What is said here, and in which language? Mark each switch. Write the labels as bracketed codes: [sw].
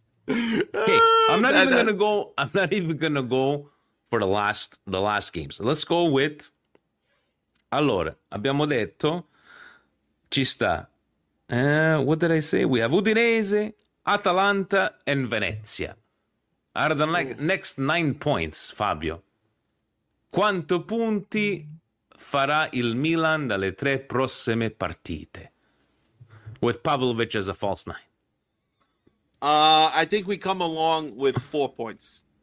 [en] Okay, I'm not even gonna go for the last games. Let's go with. [it] Allora, abbiamo detto. Ci sta. [en] What did I say? We have Udinese, Atalanta, and Venezia. Out of the next 9 points, [it] Fabio, quanto punti farà il Milan dalle tre prossime partite? [en] With Pavlovic as a false nine. I think we come along with 4 points.